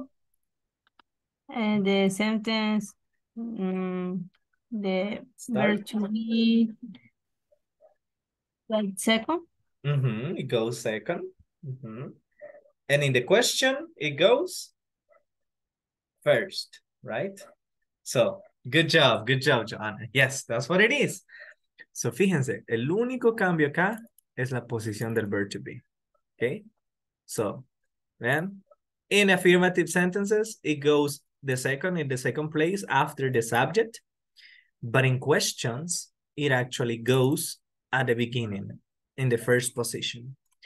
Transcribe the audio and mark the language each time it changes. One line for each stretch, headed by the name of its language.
English: So, and the sentence, the verb to be, like second. Mm-hmm. It goes second. Mm-hmm. And in the question, it goes first, right? So, good job, Joanna. Yes, that's what it is.
Spanish: So, fíjense, el único cambio acá es la posición del verb to be, okay?
English: So, then, in affirmative sentences, it goes the second in the second place after the subject, but in questions, it actually goes at the beginning, in the first position.